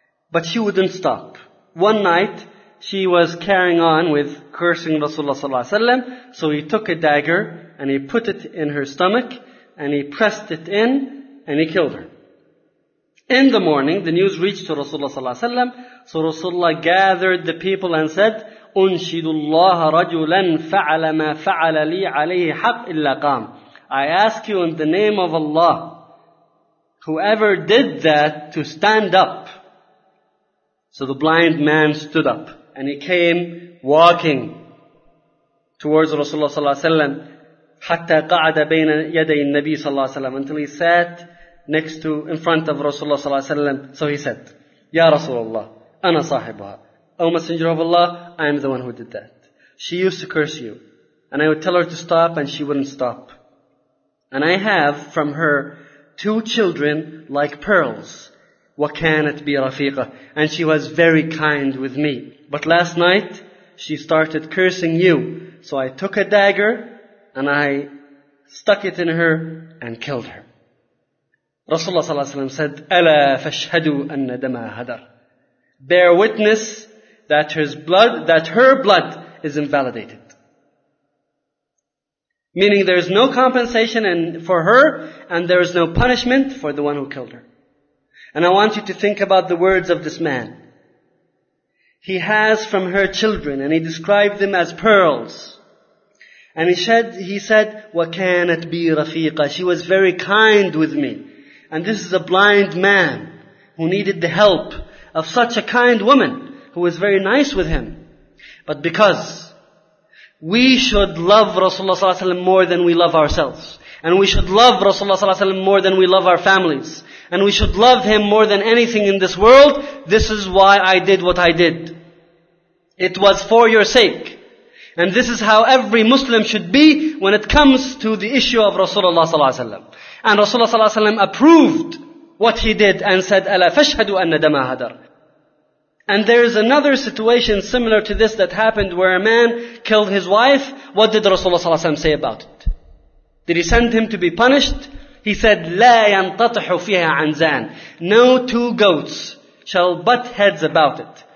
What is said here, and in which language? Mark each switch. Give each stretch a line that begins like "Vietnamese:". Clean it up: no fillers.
English: But she wouldn't stop. One night, she was carrying on with cursing Rasulullah sallallahu alaihi wasallam. So he took a dagger and he put it in her stomach, and he pressed it in, and he killed her. In the morning, the news reached to Rasulullah sallallahu alaihi wasallam. So Rasulullah gathered the people and said,
Arabic: أنشد الله رجلا فعل ما فعل لي عليه حق إلا قام.
English: I ask you in the name of Allah, whoever did that, to stand up. So the blind man stood up and he came walking towards Rasulullah صلى الله عليه وسلم
Arabic: حتى قعد بين يدي النبي صلى الله عليه وسلم,
English: until he sat next to, in front of Rasulullah صلى الله عليه وسلم. So he said,
Arabic: يا رسول الله أنا صاحبها.
English: O Messenger of Allah, I am the one who did that. She used to curse you. And I would tell her to stop, and she wouldn't stop. And I have from her two children like pearls.
Arabic: وَكَانَتْ بِرَفِيقَةٍ.
English: And she was very kind with me. But last night, she started cursing you. So I took a dagger, and I stuck it in her, and killed her.
Arabic: Rasulullah صلى الله عليه وسلم
English: said,
Arabic: أَلَا فَاشْهَدُوا أَنَّ دَمَا هَدَرَ.
English: Bear witness that her blood is invalidated. Meaning there is no compensation for her, and there is no punishment for the one who killed her. And I want you to think about the words of this man. He has from her children, and he described them as pearls. And he said,
Arabic: وَكَانَتْ بِي رَفِيقَةً.
English: She was very kind with me. And this is a blind man who needed the help of such a kind woman, who was very nice with him. But because we should love Rasulullah صلى الله عليه وسلم more than we love ourselves, and we should love Rasulullah صلى الله عليه وسلم more than we love our families, and we should love him more than anything in this world, this is why I did what I did. It was for your sake. And this is how every Muslim should be when it comes to the issue of Rasulullah صلى الله عليه وسلم. And Rasulullah صلى الله عليه وسلم approved what he did and said,
Arabic: أَلَا فَاشْهَدُوا أَنَّ دَمَا هَدَرَ.
English: And there is another situation similar to this that happened, where a man killed his wife. What did Rasulullah صلى الله عليه وسلم say about it? Did he send him to be punished? He said,
Arabic: لَا يَنْتَطِحُ فِيهَا عَنْزَانٍ.
English: No two goats shall butt heads about it.